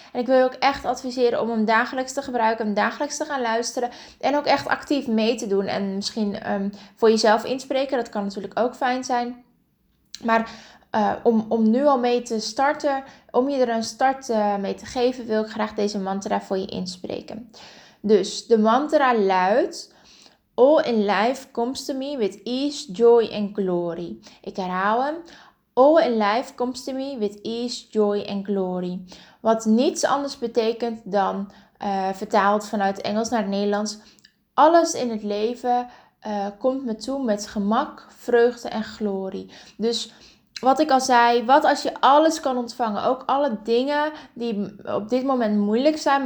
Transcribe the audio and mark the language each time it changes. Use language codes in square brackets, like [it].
[nl] En ik wil je ook echt adviseren om hem dagelijks te gebruiken. Hem dagelijks te gaan luisteren. En ook echt actief mee te doen. En misschien voor jezelf inspreken. Dat kan natuurlijk ook fijn zijn. Maar om nu al mee te starten. Om je er een start mee te geven. Wil ik graag deze mantra voor je inspreken. Dus de mantra luidt. [en] All in life comes to me with ease, joy and glory. [nl] Ik herhaal hem. [en] All in life comes to me with ease, joy and glory. [nl] Wat niets anders betekent dan vertaald vanuit Engels naar het Nederlands. Alles in het leven komt me toe met gemak, vreugde en glorie. Dus wat ik al zei, wat als je alles kan ontvangen. Ook alle dingen die op dit moment moeilijk zijn.